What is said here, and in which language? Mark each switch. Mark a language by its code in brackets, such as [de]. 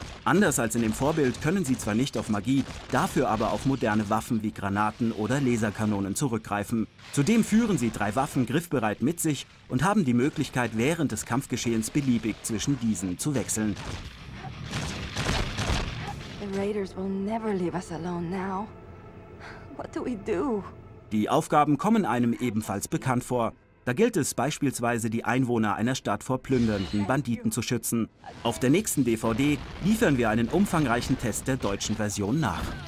[de] Anders als in dem Vorbild können sie zwar nicht auf Magie, dafür aber auf moderne Waffen wie Granaten oder Laserkanonen zurückgreifen. Zudem führen sie drei Waffen griffbereit mit sich und haben die Möglichkeit, während des Kampfgeschehens beliebig zwischen diesen zu wechseln. [en] The Raiders will never leave us alone now. What do we do? [de] Die Aufgaben kommen einem ebenfalls bekannt vor. Da gilt es beispielsweise, die Einwohner einer Stadt vor plündernden Banditen zu schützen. Auf der nächsten DVD liefern wir einen umfangreichen Test der deutschen Version nach.